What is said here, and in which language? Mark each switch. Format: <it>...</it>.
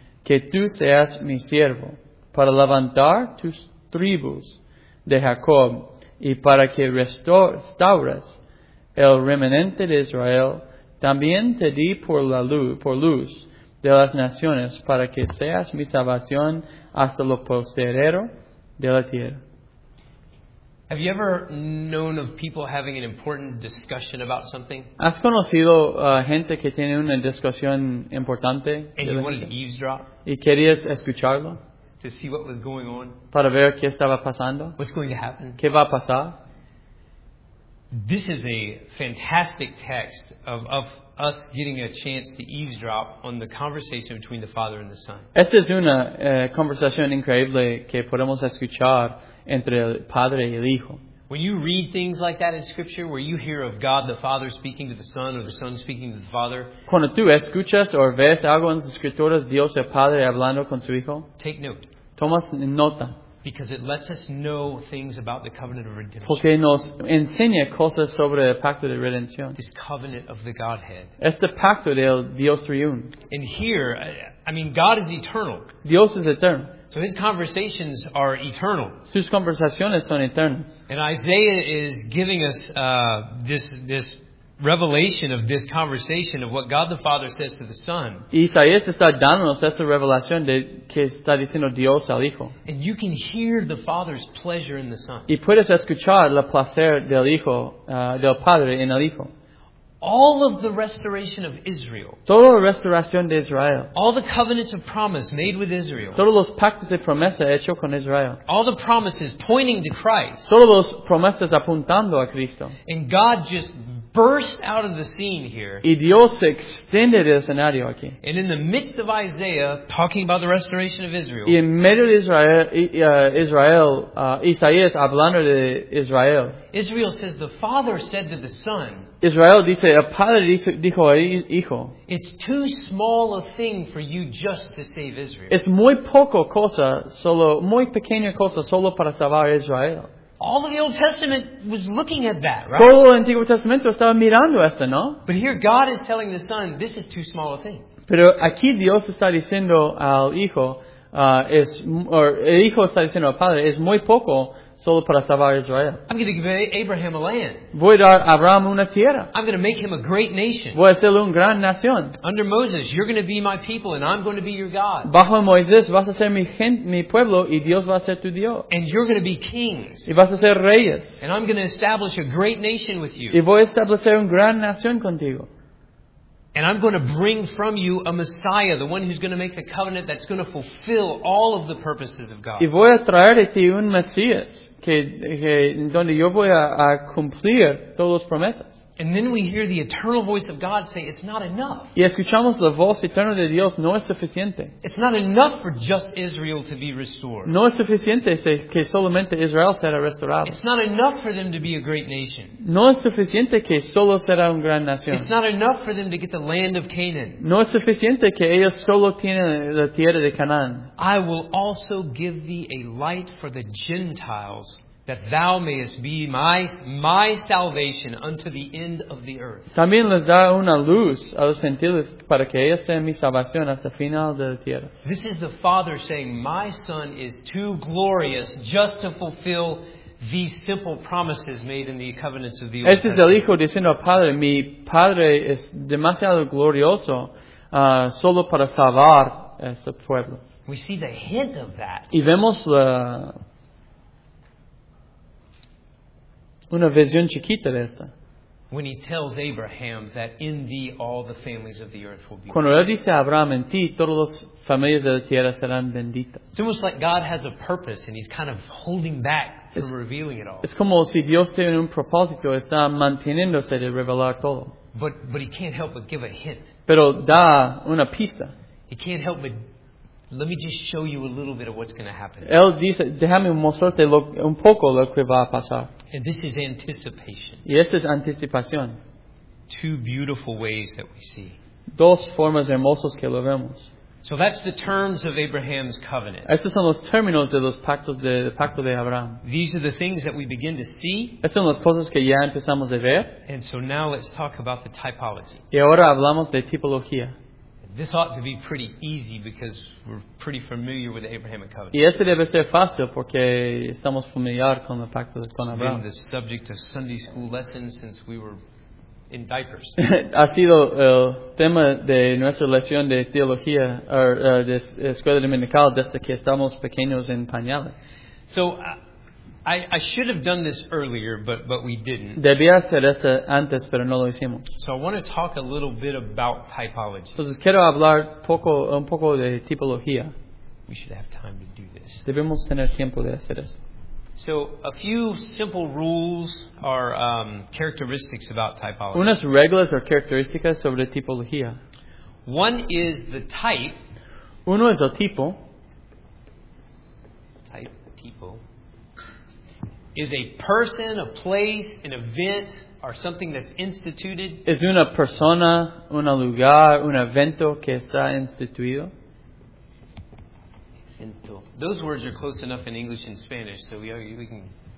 <es>que tú seas mi siervo, para levantar tus tribus de Jacob, y para que restaures el remanente de Israel. También te di por luz de las naciones, para que seas mi salvación hasta lo postrero de la tierra.</es> <en>Have you ever known of people having an important discussion about something?</en> <es>¿Has conocido gente que tiene una discusión importante?</es> <en>And you wanted to eavesdrop?</en> <es>¿Y querías escucharlo?</es> <en>To see what was going on?</en> <es>¿Para ver qué estaba pasando?</es> <en>What's going to happen?</en> <es>¿Qué va a pasar?</es> <en>This is a fantastic text of us getting a chance to eavesdrop on the conversation between the Father and the Son.</en> <es>Esta es una conversación increíble que podemos escuchar entre el Padre y el Hijo.</es> <en>When you read things like that in Scripture, where you hear of God the Father speaking to the Son, or the Son speaking to the Father,</en> <es>cuando tú escuchas o ves algo en las Escrituras, Dios el Padre hablando con su Hijo,</es> <en>take note.</en> <es>Tomas nota.</es> <en>Because it lets us know things about the covenant of redemption.</en> <es>Porque nos enseña cosas sobre el pacto de redención.</es> <en>This covenant of the Godhead.</en> <es>Este pacto del Dios triuno.</es> <en>And here, I mean, God is eternal.</en> <es>Dios es eterno.</es> <en>So his conversations are eternal.</en> <es>Sus conversaciones son eternas.</es> <en>And Isaiah is giving us this revelation of this conversation of what God the Father says to the Son.</en> <es>Isaías está dándonos esa revelación de que está diciendo Dios al Hijo.</es> <en>And you can hear the Father's pleasure in the Son.</en> <es>Y puedes escuchar el placer del Hijo, del Padre en el Hijo.</es> <en>All of the restoration of Israel.</en> <es>Toda la restauración de Israel.</es> <en>All the covenants of promise made with Israel.</en> <es>Todos los pactos de promesa hechos con Israel.</es> <en>All the promises pointing to Christ.</en> <es>Todos los promesas apuntando a Cristo.</es> <en>And God just burst out of the scene here.</en> <es>Y Dios extended el escenario aquí.</es> <en>And in the midst of Isaiah talking about the restoration of Israel.</en> <es>Y en medio de Isaías hablando de Israel.</es> <en>Israel says, the Father said to the Son.</en> <es>Israel dice, el Padre dijo al Hijo.</es> <en>It's too small a thing for you just to save Israel.</en> <es>Es muy poco cosa, solo muy pequeña cosa, solo para salvar a Israel.</es> <en>All of the Old Testament was looking at that, right?</en> <es>Todo el Antiguo Testamento estaba mirando esto, ¿no?</es> <en>But here God is telling the Son, this is too small a thing.</en> <es>Pero aquí Dios está diciendo al Hijo, el Hijo está diciendo al Padre, es muy poco solo para salvar Israel.</es> <en>I'm going to give Abraham a land.</en> <es>Voy a dar a Abraham una tierra.</es> <en>I'm going to make him a great nation.</en> <es>Voy a hacerle una gran nación.</es> <en>Under Moses, you're going to be my people and I'm going to be your God.</en> <es>Bajo Moisés vas a ser mi pueblo y Dios va a ser tu Dios.</es> <en>And you're going to be kings.</en> <es>Y vas a ser reyes.</es> <en>And I'm going to establish a great nation with you.</en> <es>Y voy a establecer una gran nación contigo.</es> <en>And I'm going to bring from you a Messiah, the one who's going to make a covenant that's going to fulfill all of the purposes of God.</en> <es>Y voy a traer de ti un Mesías. Que donde yo voy a cumplir todas las promesas.</es> <en>And then we hear the eternal voice of God say, it's not enough.</en> <es>Y escuchamos la voz eterna de Dios, no es suficiente.</es> <en>It's not enough for just Israel to be restored.</en> <es>No es suficiente que solamente Israel será restaurado.</es> <en>It's not enough for them to be a great nation.</en> <es>No es suficiente que solo será una gran nación.</es> <en>It's not enough for them to get the land of Canaan.</en> <es>No es suficiente que ellos solo tienen la tierra de Canaán.</es> <en>I will also give thee a light for the Gentiles, that thou mayest be my salvation unto the end of the earth.</en> <es>También les da una luz a los gentiles para que ellos sean mi salvación hasta el final de la tierra.</es> <en>This is the Father saying, my Son is too glorious just to fulfill these simple promises made in the covenants of the Old Testament.</en> <es>Este es el Hijo diciendo al Padre, mi Padre es demasiado glorioso solo para salvar este pueblo.</es> <en>We see the hint of that.</en> <es>Y vemos la una visión chiquita de esta.</es> <en>When he tells Abraham that in thee all the families of the earth will be blessed.</en> <es>Cuando él dice a Abraham, en ti todas las familias de la tierra serán benditas.</es> <en>It's almost like God has a purpose and he's kind of holding back from revealing it all.</en> <es>Es como si Dios tiene un propósito, está manteniéndose de revelar todo.</es> <en>But he can't help but give a hint.</en> <es>Pero da una pista.</es> <en>He can't help but, let me just show you a little bit of what's going to happen.</en> <es>Él dice, déjame mostrarte un poco lo que va a pasar.</es> <en>And this is anticipation.</en> <es>Y esta es anticipación.</es> <en>Two beautiful ways that we see.</en> <es>Dos formas hermosas que lo vemos.</es> <en>So that's the terms of Abraham's covenant.</en> <es>Estos son los términos de los pactos del pacto de Abraham.</es> <en>These are the things that we begin to see.</en> <es>Estas son las cosas que ya empezamos a ver.</es> <en>And so now let's talk about the typology.</en> <es>Y ahora hablamos de tipología.</es> <en>This ought to be pretty easy because we're pretty familiar with the Abrahamic covenant.</en> <es>Y este debe ser fácil porque estamos familiar con el pacto de Abraham.</es> <en>It's been the subject of Sunday school lessons since we were in diapers.</en> <es>Ha sido el tema de nuestra lección de teología de escuela dominical desde que estamos pequeños en pañales.</es> <en>So I should have done this earlier, but we didn't.</en> <es>Debía hacer esto antes, pero no lo hicimos.</es> <en>So I want to talk a little bit about typology.</en> <es>Entonces quiero hablar un poco de tipología.</es> <en>We should have time to do this.</en> <es>Debemos tener tiempo de hacer esto.</es> <en>So a few simple rules are characteristics about typology.</en> <es>Unas reglas o características sobre tipología.</es> <en>One is the type.</en> <es>Uno es el tipo.</es> <en>Type, tipo. Is a person, a place, an event, or something that's instituted?</en> <es>Es una persona, un lugar, un evento que está instituido. Evento.</es> <en>Those words are close enough in English and Spanish, so we can.</en>